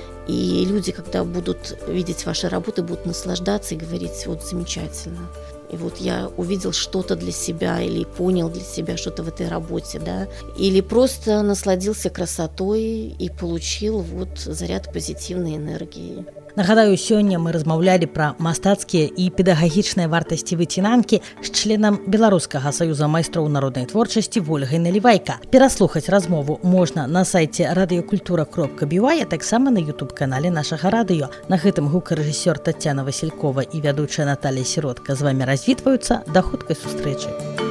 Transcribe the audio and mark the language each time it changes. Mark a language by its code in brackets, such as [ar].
[ru] И люди, когда будут видеть ваши работы, будут наслаждаться и говорить: вот замечательно. И вот я увидел что-то для себя или понял для себя что-то в этой работе, да. Или просто насладился красотой и получил вот заряд позитивной энергии. [be] Нагадаю, сёння мы размаўлялі пра мастацкія і педагагічныя вартасці выцінанкі з членам Беларускага саюза майстроў народнай творчасці Вольгай Налівайка. Пераслухаць размову можна на сайце radiokultura.by, а таксама на YouTube-канале нашага радыё. На гэтым гукарэжысёр Таццяна Васількова і вядучая Наталія Сіротка з вамі развітваюцца. Да хуткай сустрэчы!